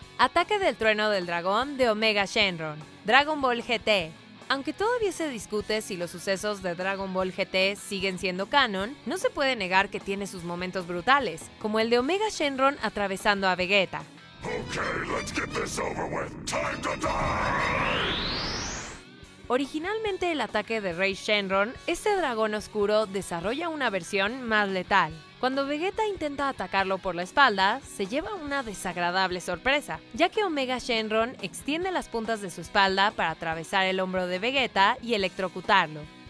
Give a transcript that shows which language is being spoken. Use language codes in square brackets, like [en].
[es] Ataque del trueno del dragón de Omega Shenron. Dragon Ball GT. Aunque todavía se discute si los sucesos de Dragon Ball GT siguen siendo canon, no se puede negar que tiene sus momentos brutales, como el de Omega Shenron atravesando a Vegeta. [en] Okay, let's get this over with. Time to die. [es] Originalmente el ataque de Rey Shenron, este dragón oscuro desarrolla una versión más letal. Cuando Vegeta intenta atacarlo por la espalda, se lleva una desagradable sorpresa, ya que Omega Shenron extiende las puntas de su espalda para atravesar el hombro de Vegeta y electrocutarlo.